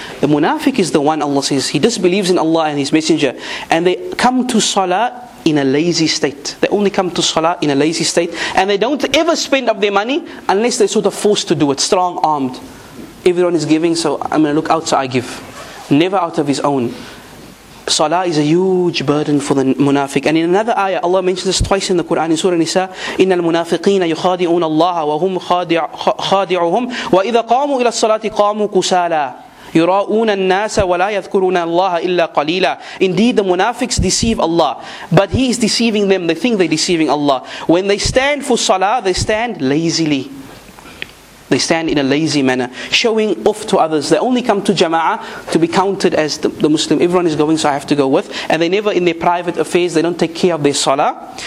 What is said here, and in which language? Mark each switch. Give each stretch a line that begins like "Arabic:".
English: The munafiq is the one, Allah says, he disbelieves in Allah and his messenger, and they come to salah in a lazy state. They only come to salah in a lazy state, and they don't ever spend up their money unless they're sort of forced to do it, strong armed. Everyone is giving, so I'm going to look out, so I give. Never out of his own. Salah is a huge burden for the munafiq. And in another ayah, Allah mentions this twice in the Quran, in Surah Nisa,
Arabic: إِنَّ الْمُنَافِقِينَ يُخَادِعُونَ اللَّهَ وَهُمْ خَادِعُهُمْ وَإِذَا قَامُوا إِلَى الصَّلَاةِ قَامُوا كُسَالًا يُرَاؤُونَ النَّاسَ وَلَا يَذْكُرُونَ اللَّهَ إِلَّا قَلِيلًا.
English: Indeed, the munafiqs deceive Allah, but He is deceiving them. They think they're deceiving Allah. When they stand for salah, they stand lazily. They stand in a lazy manner, showing off to others. They only come to jama'ah to be counted as the Muslim. Everyone is going, so I have to go with. And they never in their private affairs, they don't take care of their salah.